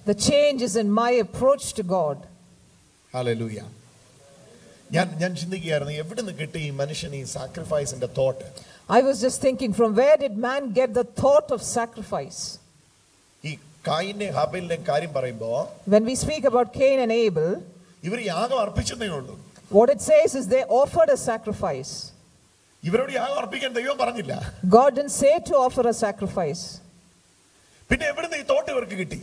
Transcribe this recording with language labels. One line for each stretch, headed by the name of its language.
English: The change is in my approach to God. Hallelujah.
Malayalam: ഞാൻ ചിന്തിക്കുകയായിരുന്നു, എവിടെ നിന്ന് കിട്ടി ഈ മനുഷ്യന് ഈ സാക്രിഫൈസിന്റെ thought.
English: I was just thinking, from where did man get the thought of sacrifice?
Malayalam: ഈ കായിനെ ഹാബിലിനെ കാര്യം പറയുമ്പോൾ,
English: when we speak about Cain and Abel,
Malayalam: ഇവർ യാഗം അർപ്പിച്ചതേ ഉള്ളൂ.
English: What it says is they offered a sacrifice.
Malayalam: ഇവരോട് യാഗം അർപ്പിക്കാൻ ദൈവം പറഞ്ഞില്ല.
English: God didn't say to offer a sacrifice.
Malayalam: പിന്നെ എവിടെ നിന്ന് ഈ തോട്ട് ഇവർക്ക് കിട്ടി?